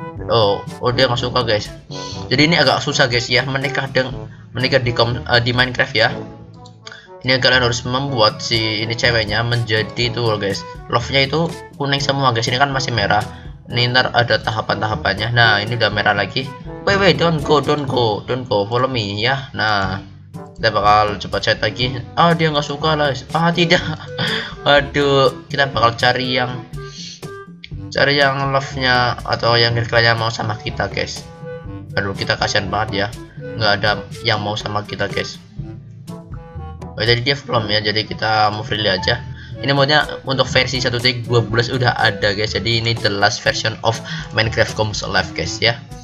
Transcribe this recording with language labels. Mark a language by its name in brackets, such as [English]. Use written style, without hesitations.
[Indonesian] Oh dia nggak suka guys. Jadi ini agak susah guys ya, menikah di Minecraft ya. Ini kalian harus membuat si ini ceweknya menjadi itu guys, love nya itu kuning semua guys. Ini kan masih merah, ini ntar ada tahapan-tahapannya. Nah ini udah merah lagi. [English] Wait wait, don't go, follow me ya. [Indonesian] Nah kita bakal coba chat lagi. Ah, dia nggak suka lah. Ah tidak. Aduh, kita bakal cari yang love nya atau yang kira-kira mau sama kita guys. Aduh, kita kasihan banget ya, nggak ada yang mau sama kita guys. Oh, jadi dia from ya, jadi kita mau freely aja. Ini modnya untuk versi 1.12 udah ada guys, jadi ini [English] the last version of Minecraft Comes Alive [Indonesian] guys ya.